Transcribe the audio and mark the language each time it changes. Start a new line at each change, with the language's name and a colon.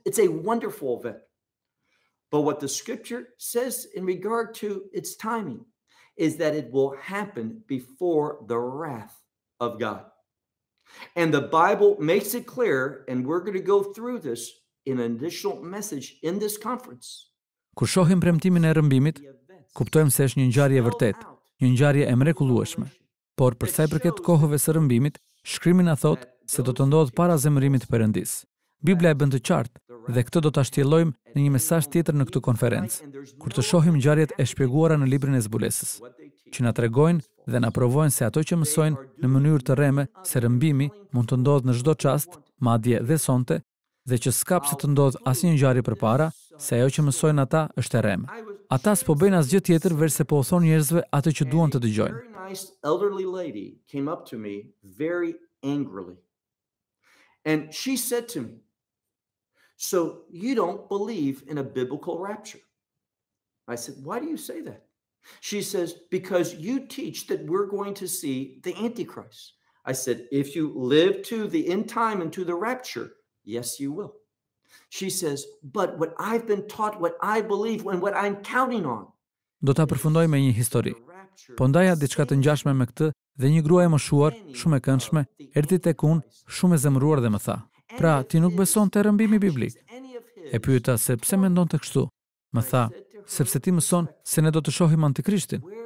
English: It's a wonderful event. But what the scripture says in regard to its timing is that it will happen before the wrath of God. And the Bible makes it clear, and we're going to go through this in an additional message in this conference.
Albanian: Kur shohim premtimin e rrëmbimit, kuptojmë se është një ngjarje e vërtetë, një ngjarje e mrekullueshme. Por përsa i përket kohëve së rrëmbimit, shkrimi na thot se do të ndodhë para zemërimit Perëndisë. Biblia e bën të qartë dhe këtë do ta shtjellojmë në një mesazh tjetër në këtë konferencë, kur të shohim ngjarjet e shpjeguara në librin e zbulesës, që na tregojnë dhe na provojnë se ato që mësojnë në mënyrë të rreme se rrëmbimi mund të ndodhë në çdo çast, madje dhe sonte, dhe që s'ka pse të ndodhë asnjë ngjarje përpara, se ajo që mësojnë ata është e rreme. Ata s'po bëjnë asgjë tjetër verse po u thon njerëzve atë që duan të dëgjojnë.
English: Elderly lady came up to me very angrily. And she said to me, "So you don't believe in a biblical rapture?" I said, "Why do you say that?" She says, "Because you teach that we're going to see the Antichrist." I said, "If you live to the end time and to the rapture, yes, you will." She says, "But what I've been taught, what I believe, and what I'm counting on."
Albanian: Do ta përfundoj me një histori. Po ndaja diçka të ngjashme me këtë dhe një grua e moshuar, shumë e këndshme, erdhi tek unë, shumë e zemëruar dhe më tha, "Pra, ti nuk beson te rrëmbimi biblik?" E pyeta se pse mendon të kështu. Më tha, "Sepse ti mëson se ne do të shohim Antikrishtin."